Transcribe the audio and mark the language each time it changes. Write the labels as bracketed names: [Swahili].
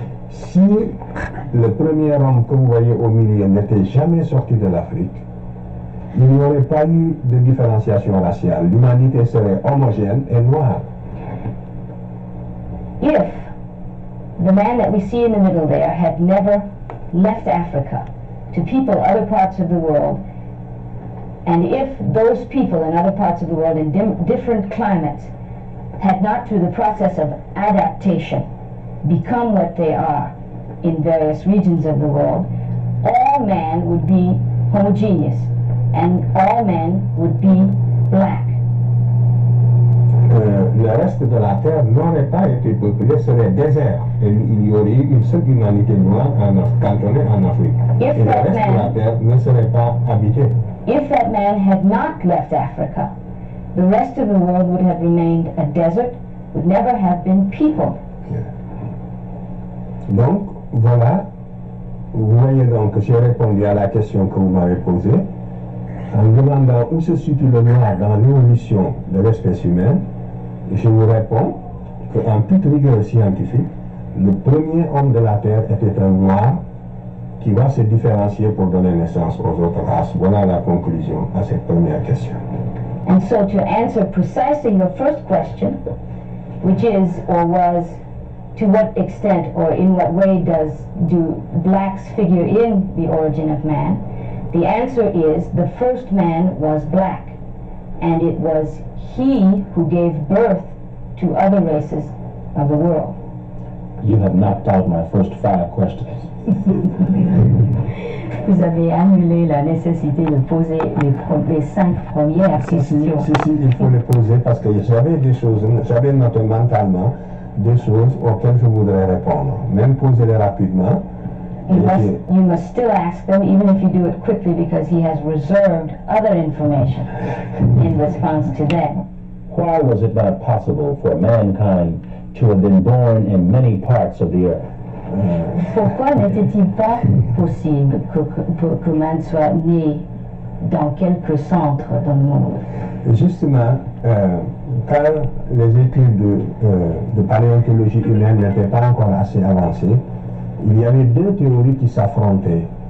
[French] Si le premier homme que vous voyez au milieu n'était jamais sorti de l'Afrique, il n'y aurait pas eu de différenciation raciale. L'humanité serait homogène et noire. [English] If the man that we see in the middle there had never left Africa to people other parts of the world, and if those people in other parts of the world in different climates had not, through the process of adaptation, become what they are in various regions of the world, all man would be homogeneous and all men would be black. [French] Le reste de la Terre n'aurait pas été peuplé, serait désert, et il y aurait eu une seule humanité noire cantonnée en Afrique. Et le reste de la Terre ne serait pas habité. [English] If that man had not left Africa, the rest of the world would have remained a desert, would never have been peopled. Yeah. [French] Donc, voilà, vous voyez donc que j'ai répondu à la question que vous m'avez posée. En demandant où se situe le noir dans l'évolution de l'espèce humaine, Je lui réponds qu'en toute rigueur scientifique, le premier homme de la Terre était un noir qui va se différencier pour donner naissance aux autres races. Voilà la conclusion à cette première question. [English] And so to answer precisely your first question, which is or was, to what extent or in what way do blacks figure in the origin of man? The answer is the first man was black, and it was he who gave birth to other races of the world. You have knocked out my first five questions. [French] Vous avez annulé la nécessité de poser les cinq premières questions. Si, il faut les poser parce que j'avais des choses, j'avais noté mentalement des choses auxquelles je voudrais répondre. Même poser-les rapidement. [English] You must still ask them, even if you do it quickly, because he has reserved other information in response to them. Why was it not possible for mankind to have been born in many parts of the earth? [French] Pourquoi n'était-il pas possible que man soit né dans quelques centres dans le monde? Justement, quand les études de paléontologie humaine n'étaient pas encore assez avancées, il y avait deux théories qui s'affrontaient.